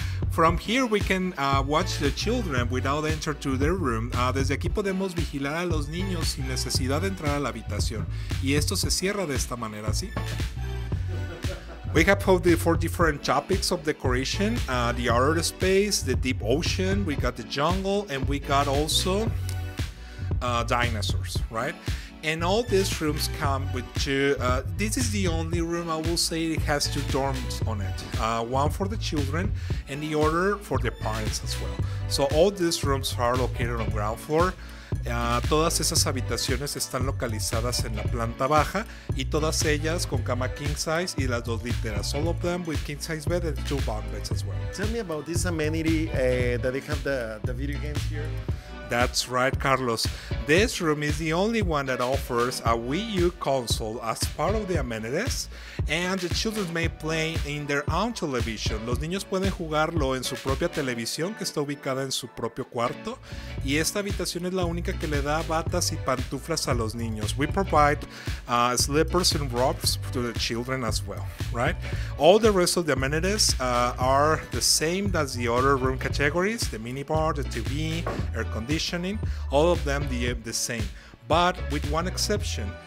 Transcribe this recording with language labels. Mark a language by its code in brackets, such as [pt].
[en] From here we can watch the children without entering to their room. [es] Desde aquí podemos vigilar a los niños sin necesidad de entrar a la habitación. Y esto se cierra de esta manera, ¿sí? [en] We have all the four different topics of decoration. The outer space, the deep ocean, we got the jungle, and we got also dinosaurs, right? And all these rooms come with two. This is the only room I will say it has two dorms on it. One for the children and the other for the parents as well. So all these rooms are located on ground floor. [es] Todas esas habitaciones están localizadas en la planta baja y todas ellas con cama king size y las dos literas. [en] All of them with king size bed and two bunk beds as well. Tell me about this amenity that they have the video games here. That's right, Carlos. This room is the only one that offers a Wii U console as part of the amenities, and the children may play in their own television. [es] Los niños pueden jugarlo en su propia televisión, que está ubicada en su propio cuarto, y esta habitación es la única que le da batas y pantuflas a los niños. [en] We provide slippers and robes to the children as well, right? All the rest of the amenities are the same as the other room categories, the minibar, the TV, air conditioning, all of them the same, but with one exception.